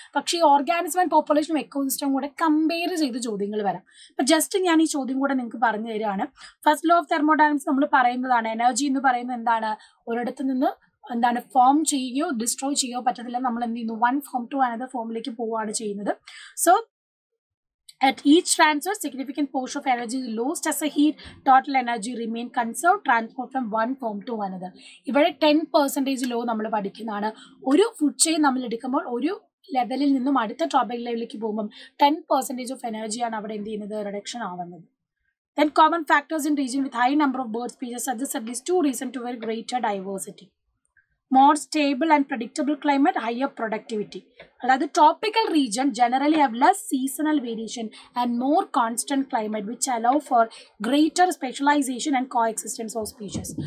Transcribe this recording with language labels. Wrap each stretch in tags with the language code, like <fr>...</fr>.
<ml>പക്ഷേ ഈ organism and population ecosystem കൂടെ കമ്പയർ ചെയ്ത് ചോദ്യങ്ങൾ വരാം. അപ്പം ജസ്റ്റ് ഞാൻ ഈ ചോദ്യം കൂടെ നിങ്ങൾക്ക് പറഞ്ഞു തരികയാണ്. ഫസ്റ്റ് ലോ ഓഫ് തെർമോഡൈനാമിക്സ് നമ്മൾ പറയുന്നതാണ് എനർജി എന്ന് പറയുന്നത് എന്താണ്, ഒരിടത്ത് നിന്ന് എന്താണ് ഫോം ചെയ്യുകയോ ഡിസ്ട്രോ ചെയ്യുകയോ പറ്റത്തില്ല. നമ്മൾ എന്ത് ചെയ്യുന്നു, വൺ ഫോം ടു അനദർ ഫോമിലേക്ക് പോവുകയാണ് ചെയ്യുന്നത്.</ml> <en>So at each transfer significant portion of energy is lost as a heat, total energy remain conserved transferred from one form to another.</en> <ml>ഇവിടെ 10% ലോ നമ്മൾ പഠിക്കുന്നതാണ്. ഒരു ഫുഡ് ചെയിൻ നമ്മൾ എടുക്കുമ്പോൾ ഒരു ലെവലിൽ നിന്നും അടുത്ത ടോപ്പിക് ലെവലിലേക്ക് പോകുമ്പം 10% ഓഫ് എനർജിയാണ് അവിടെ എന്ത് ചെയ്യുന്നത്, റിഡക്ഷൻ ആവുന്നത്.</ml> <en>Then common factors in region with high number of bird species suggest at least two reason to very greater diversity. More stable and predictable climate higher productivity. അതായത് tropical region generally have less seasonal variation and more constant climate which allow for greater specialisation and coexistence of species.</en>